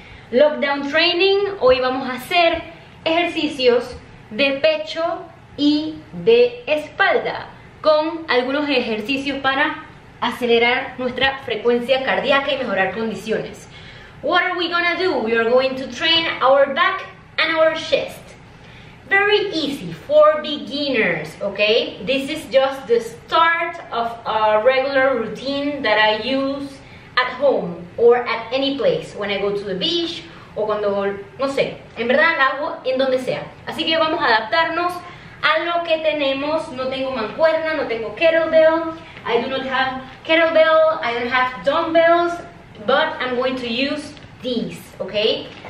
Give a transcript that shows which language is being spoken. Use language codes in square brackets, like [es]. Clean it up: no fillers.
[es] Lockdown Training, hoy vamos a hacer ejercicios de pecho y de espalda con algunos ejercicios para acelerar nuestra frecuencia cardíaca y mejorar condiciones. [en] What are we gonna do? We are going to train our back and our chest. Very easy for beginners, okay? This is just the start of a regular routine that I use at home or at any place. When I go to the beach [es] o cuando, no sé, en verdad lo hago en donde sea. Así que vamos a adaptarnos a lo que tenemos. No tengo mancuerna, no tengo kettlebell. [en] I do not have kettlebell, I don't have dumbbells, but I'm going to use these, okay?